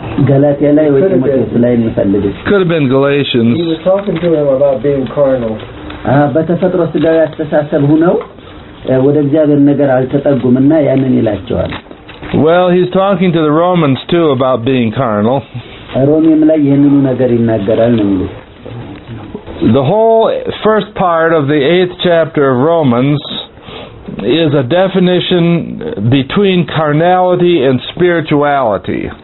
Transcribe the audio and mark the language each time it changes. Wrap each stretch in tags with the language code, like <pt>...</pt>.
<en>Galatia lay with Timothy. Could have been Galatians. He was talking to him about being carnal.</en> <am>በተፈጥሮ ስጋዊ አስተሳሰብ ሆነው ወደ እግዚአብሔር ነገር አልተጠጉምና ያንን ይላቸዋል.</am> <en>Well, he's talking to the Romans too about being carnal.</en> <am>ሮሜም ላይ ይህንኑ ነገር ይናገራል ነው የሚሉት.</am> <en>The whole first part of the 8th chapter of Romans is a definition between carnality and spirituality.</en>